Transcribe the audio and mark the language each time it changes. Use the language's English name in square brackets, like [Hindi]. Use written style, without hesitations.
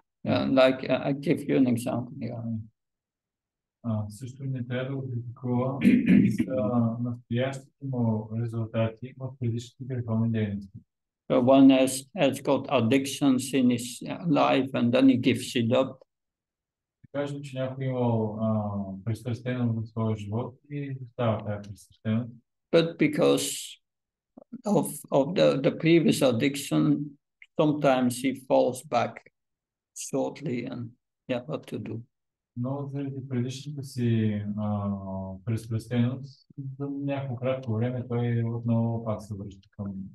[English] Yeah, like I give you an example here. [Bulgarian] Също не трябва да критикува настоящите му резултати от предишните греховни дейности. [English] One has got addictions in his life and then he gives it up. [Bulgarian] Кажем, че някой имал пристрастеност в своя живот и става тази пристрастеност. [English] But because of the previous addiction, sometimes he falls back shortly and yeah, what to do? [Bulgarian] Но заради предишната си пристрастеност, за някакво кратко време той отново пак се връща към.